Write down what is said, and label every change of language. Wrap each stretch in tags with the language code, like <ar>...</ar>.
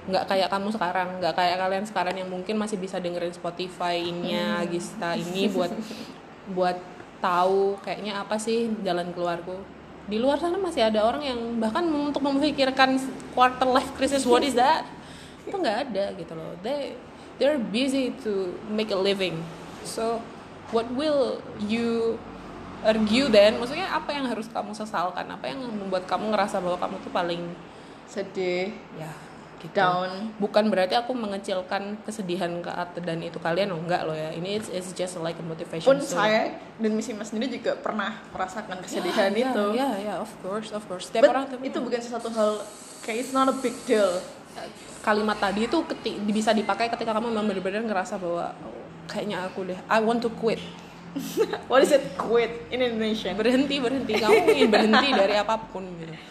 <id>Enggak kayak kamu sekarang, enggak kayak kalian sekarang yang mungkin masih bisa dengerin Spotify-nya Gista ini buat tahu kayaknya apa sih jalan keluarku. Di luar sana masih ada orang yang bahkan untuk memikirkan quarter life crisis,</id> <en>what is that?</en> <id>Itu enggak ada gitu loh.</id> <en>They're busy to make a living. So, what will you argue then?</en> <id>Maksudnya apa yang harus kamu sesalkan? Apa yang membuat kamu ngerasa bahwa kamu tuh paling sedih? Ya, gitu. Down. Bukan berarti aku mengecilkan kesedihan dan itu kalian, enggak loh ya. Ini</id> <en>it's just like a motivation.</en> <id>Pun saya dan Miss Imas sendiri juga pernah merasakan kesedihan itu.</id> <en>Ya, of course.</en> <id>Setiap orang tuh. Itu bukan sesuatu hal. Kayak</id> <en>it's not a big deal.</en> <id>Kalimat tadi itu bisa dipakai ketika kamu memang benar-benar ngerasa bahwa kayaknya aku deh,</id> <en>I want to quit. What is it, quit in Indonesian?</en> <id>Berhenti, kamu ingin berhenti dari apapun gitu.</id>